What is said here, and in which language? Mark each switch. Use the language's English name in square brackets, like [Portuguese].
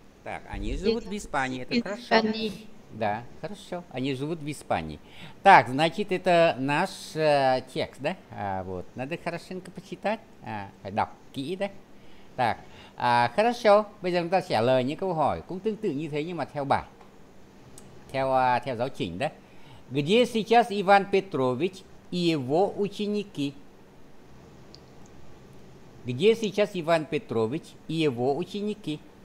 [Russian] Так, они живут в Испании, это хорошо. Да, хорошо. Они живут в Испании. Так, значит, это наш текст, да? А, вот, надо хорошенько почитать. А, да, да. Так, а, хорошо. [Vietnamese] Bây giờ chúng ta trả lời những câu hỏi cũng tương tự như thế nhưng mà theo bài, theo theo giáo trình đấy. [Russian] Где сейчас Иван Петрович и его ученики? Где сейчас Иван Петрович и его ученики?